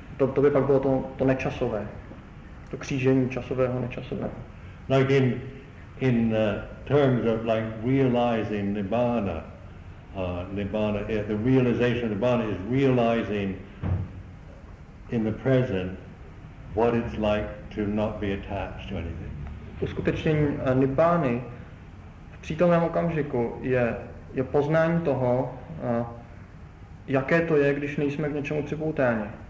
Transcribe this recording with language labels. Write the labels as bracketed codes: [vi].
[cs] To by pak bylo to nečasové, to křížení časového nečasového. [en] Like in terms of like realizing nibbana, the realization of nibbana is realizing in the present what it's like to not be attached to anything. [cs] Uskutečnění nibbány v přítomném okamžiku je poznání toho, jaké to je, když nejsme k něčemu připoutáni.